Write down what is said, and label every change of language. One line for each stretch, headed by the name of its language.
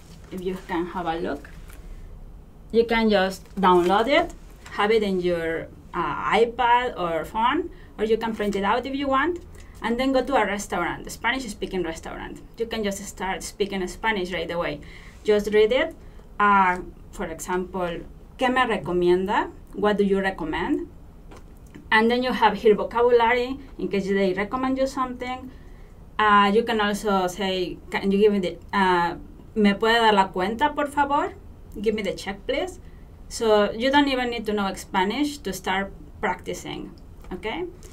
English: If you can have a look, you can just download it, have it in your iPad or phone, or you can print it out if you want, and then go to a restaurant, a Spanish-speaking restaurant. You can just start speaking Spanish right away. Just read it. For example,
Spanish: ¿qué me recomienda?
English: What do you recommend? And then you have here vocabulary in case they recommend you something. You can also say, can you give me the,
Spanish: me puede dar la cuenta, por favor?
English: Give me the check, please. So you don't even need to know Spanish to start practicing, okay?